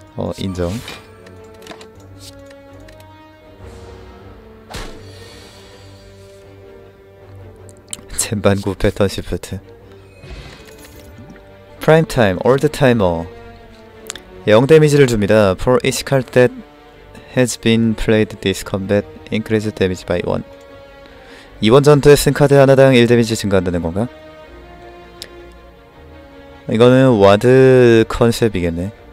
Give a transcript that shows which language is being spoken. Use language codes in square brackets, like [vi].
[ko] 어 인정. 젠반구 패턴 시프트. 프라임 타임 올드 타이머 0 데미지를 줍니다. [en] For each card that has been played this combat increase damage by 1. [ko] 이번 전투에 쓴 카드 하나당 1 데미지 증가한다는 건가? 이거는 와드 컨셉이겠네.